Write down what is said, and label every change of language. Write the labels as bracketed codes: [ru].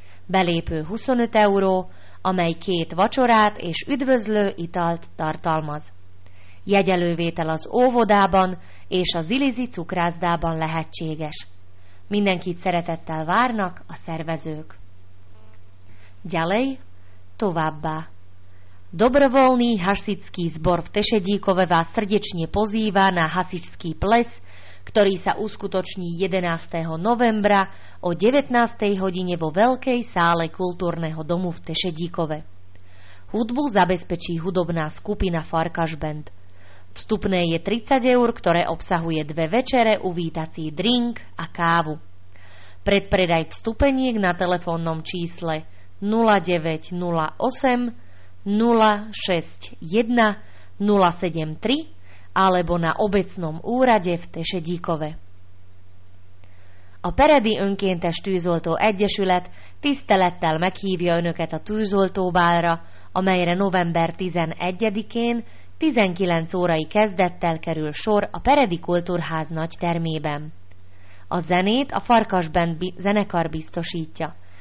[hu] Belépő 25 euró, amely két vacsorát és üdvözlő italt tartalmaz. Jegyelővétel az óvodában és a Zilizi cukrászdában lehetséges. Mindenkit szeretettel várnak a szervezők. [sk] Ďalej, továbbá. Dobrovoľný hasičský zbor v Tešedíkove vás srdečne pozýva na hasičský ples, ktorý sa uskutoční 11. novembra o 19. hodine vo Veľkej sále kultúrneho domu v Tešedíkove. Hudbu zabezpečí hudobná skupina Farkas Band. Vstupné je 30 eur, ktoré obsahuje dve večere, uvítací drink a kávu. Predpredaj vstupeniek na telefónnom čísle 0908 061 073 alebo na obecnom úrade v Tešedíkove. [hu] A Peredi Önkéntes Tűzoltó Egyesület tisztelettel meghívja önöket a tűzoltóbálra, amelyre november 11-én 19 órai kezdettel kerül sor a Peredi Kultúrház nagy termében. A zenét a Farkas Band zenekar biztosítja.